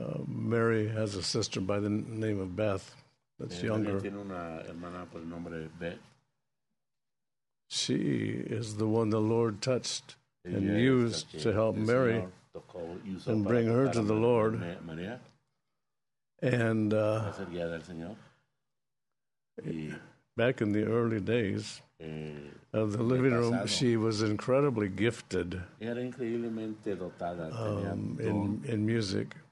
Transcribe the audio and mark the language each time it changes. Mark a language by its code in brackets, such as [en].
[en] Mary has a sister by the name of Beth. That's younger. [es] Mary tiene una hermana por el nombre Beth. [en] She is the one the Lord touched and used to help Mary and bring her to the Lord. [es] Maria. [en] And back in the early days of the living room, she was incredibly gifted in music.